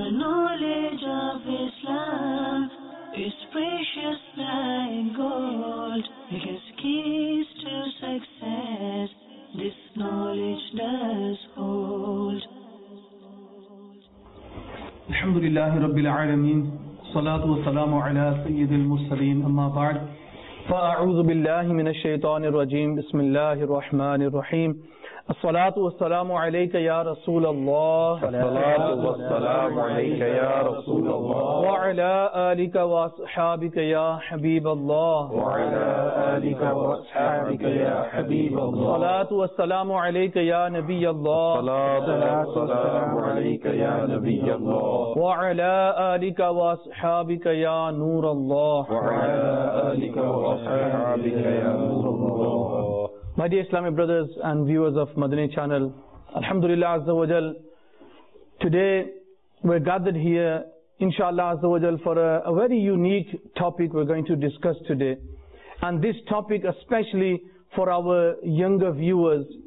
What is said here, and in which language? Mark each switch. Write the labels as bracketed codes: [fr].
[en] knowledge of Islam is precious like gold. It is keys to success. This knowledge does hold. [ar] الحمد لله رب العالمين الصلاة والسلام على سيد المرسلين أما بعد فأعوذ بالله من الشيطان الرجيم بسم الله الرحمن الرحيم الصلاة والسلام عليك يا رسول الله الصلاة والسلام عليك يا رسول الله وعلى آلك وأصحابك يا حبيب الله وعلى آلك وأصحابك يا حبيب الله الصلاة والسلام عليك يا نبي الله الصلاة والسلام عليك يا نبي الله وعلى آلك وأصحابك يا نور الله وعلى آلك وأصحابك يا نور الله. [en] My dear Islamic brothers and viewers of Madani channel, Alhamdulillah Azza wa Jal, today we're gathered here, inshallah Azza wa Jal, for a very unique topic we're going to discuss today. And this topic especially for our younger viewers.